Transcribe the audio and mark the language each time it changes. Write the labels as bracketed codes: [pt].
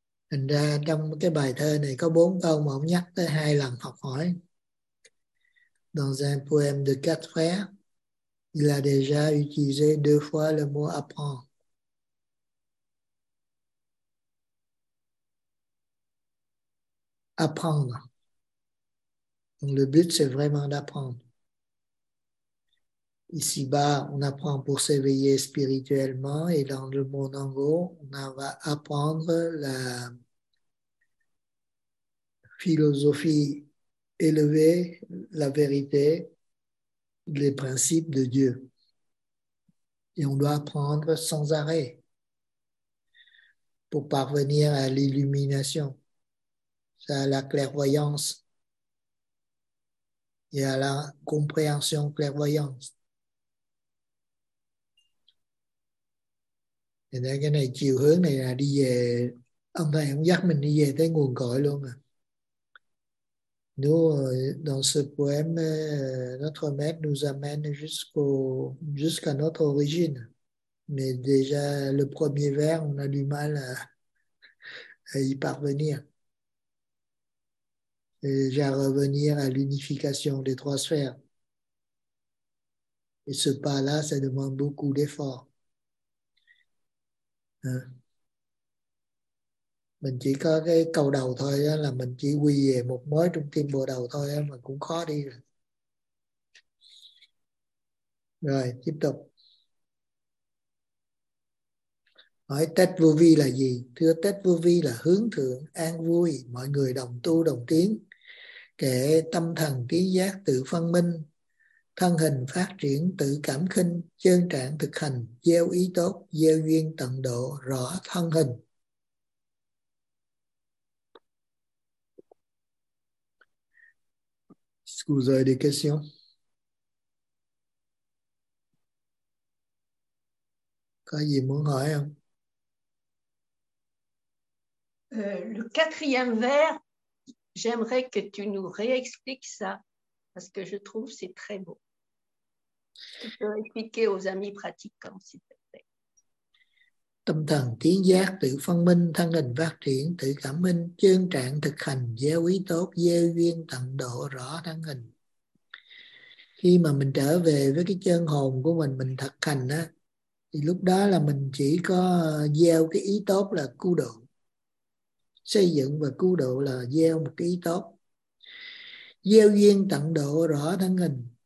[vi] Thành ra trong cái bài thơ này có bốn câu mà ông nhắc tới hai lần học hỏi. [fr] Dans un poème de quatre vers, il a déjà utilisé deux fois le mot apprendre. Apprendre. Donc le but, c'est vraiment d'apprendre. Ici-bas, on apprend pour s'éveiller spirituellement et dans le monde en haut, on va apprendre la philosophie élevée, la vérité, les principes de Dieu. Et on doit apprendre sans arrêt pour parvenir à l'illumination, à la clairvoyance et à la compréhension clairvoyance. [vi] Thì nên cái này chiều hướng này là đi về, ông thầy cũng dắt mình đi về tới nguồn cội luôn à. [fr] Nous, dans ce poème, notre maître nous amène jusqu'à notre origine. Mais déjà, le premier vers, on a du mal à y parvenir. Et à revenir à l'unification des trois sphères. Et ce pas-là, ça demande beaucoup d'efforts. [vi] Mình chỉ có cái cầu đầu thôi đó, là mình chỉ quy về một mối trung tâm bồ đầu thôi đó, mà cũng khó đi rồi. Rồi tiếp tục hỏi Tết Vô Vi là gì. Thưa, Tết Vô Vi là hướng thượng an vui, mọi người đồng tu đồng tiến, kể tâm thần trí giác tự phân minh, thân hình phát triển tự cảm khinh, chân trạng thực hành, gieo ý tốt, gieo duyên tận độ, rõ thân hình. [fr] Est-ce que vous avez des questions? [vi] Có gì muốn hỏi không? [fr] Le quatrième vers, j'aimerais que tu nous réexpliques ça, parce que je trouve que c'est très beau. Tu peux expliquer aux amis pratiquants, s'il te plaît. [vi] Tâm thần tiến giác tự phân minh, thân hình phát triển tự cảm minh, chân trạng thực hành gieo ý tốt, gieo duyên tận độ, rõ thân hình. Khi mà mình trở về với cái chân hồn của mình thực hành á, thì lúc đó là mình chỉ có gieo cái ý tốt là cứu độ, xây dựng và cứu độ là gieo một cái ý tốt, gieo duyên tận độ, rõ thân hình.